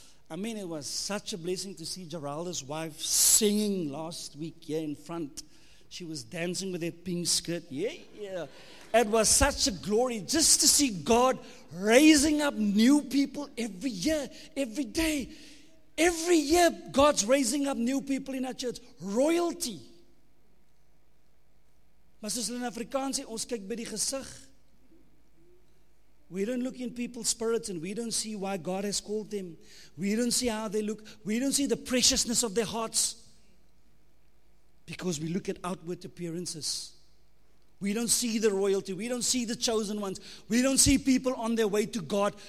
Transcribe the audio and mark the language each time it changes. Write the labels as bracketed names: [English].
[English] I mean, it was such a blessing to see Geralda's wife singing last week here in front. She was dancing with her pink skirt. Yeah, yeah. It was such a glory just to see God raising up new people every year, every day. Every year, God's raising up new people in our church. Royalty. [Afrikaans] Maar soos in Afrikaans, ons kyk by die gesig. [English] We don't look in people's spirits and we don't see why God has called them. We don't see how they look. We don't see the preciousness of their hearts. Because we look at outward appearances. We don't see the royalty. We don't see the chosen ones. We don't see people on their way to God.